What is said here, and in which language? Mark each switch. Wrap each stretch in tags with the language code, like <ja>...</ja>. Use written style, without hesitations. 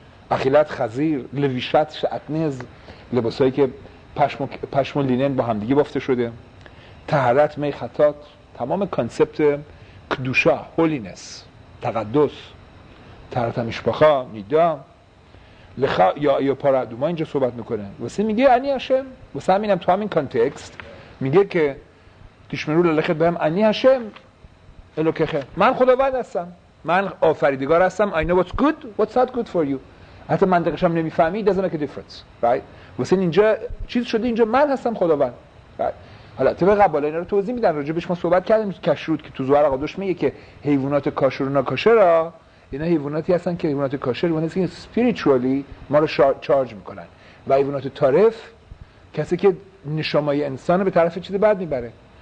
<fa>اخیلت خزیر، لویشت شعتنز، لباسایی که پشم و لینن با هم دیگه بافته شده، طهارت می خطات، تمام کانسپت کدوشا، هولینس، تقدس، طهارت مشبخا، نیدا، لخا یا پارادوما اینجا صحبت میکنه. واسه میگه انی هاشم، واسه همینم تو همین کانتکست میگه که</fa> <he>تشمرو للخت بهم انی هاشم الوکخه،</he> <fa>من خداوند هستم، من آفریدگار هستم.</fa> <en>I know what's good, what's not good for you.</en> <fa>حتی منطقش هم نمیفهمی،</fa> <en>doesn't make a difference, right?</en> <fa>واسه اینجا چیز شده، اینجا من هستم خداوند.</fa> <en>Right?</en> <fa>حالا تو به قبلا اینا رو توضیح میدن، راجبش ما صحبت کردیم، کشروت که تو زوهر قدوش میگه که حیوانات کاشر و ناکاشر ها، اینا حیواناتی هستن که حیوانات کاشر اونا هستن spiritually ما رو charge میکنن، و حیوانات تارف کسی که نشامای انسان رو به طرف چیز بد میبره.</fa>